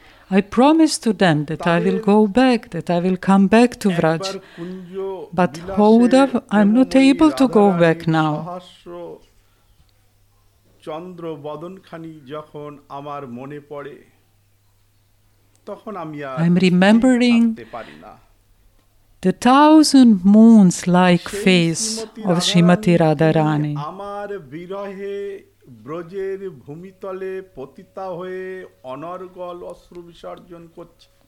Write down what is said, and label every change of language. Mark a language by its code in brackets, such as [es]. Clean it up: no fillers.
[en] I promised to them that I will go back, that I will come back to Vraj. But Uddhav, I am not able to go back now. [bn] চন্দ্র বদনখানি যখন আমার মনে পড়ে তখন আমি [en] I'm remembering the thousand moons like face of Srimati Radharani. [bn] আমার বিরহে ব্রজের ভূমিতলে পতিতা হয়ে অনর্গল অশ্রু বিসর্জন করছে.